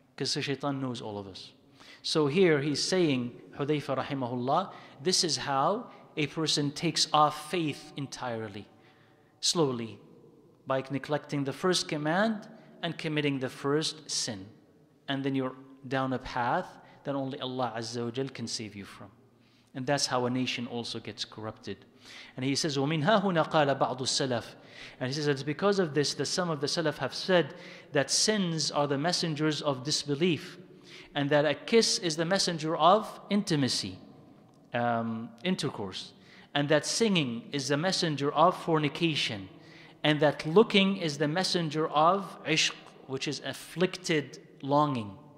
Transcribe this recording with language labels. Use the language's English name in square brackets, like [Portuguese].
[English] Because the shaitan knows all of us. So here he's saying, Hudhayfa rahimahullah, this is how a person takes off faith entirely. Slowly. By neglecting the first command, and committing the first sin. And then you're down a path that only Allah Azza wa Jal can save you from. And that's how a nation also gets corrupted. And he says, [Arabic] وَمِنْ هَا هُنَا قَالَ بَعْضُ السَّلَفِ. [English] And he says, it's because of this that some of the Salaf have said that sins are the messengers of disbelief, and that a kiss is the messenger of intimacy, intercourse, and that singing is the messenger of fornication, and that looking is the messenger of ishq, which is afflicted longing.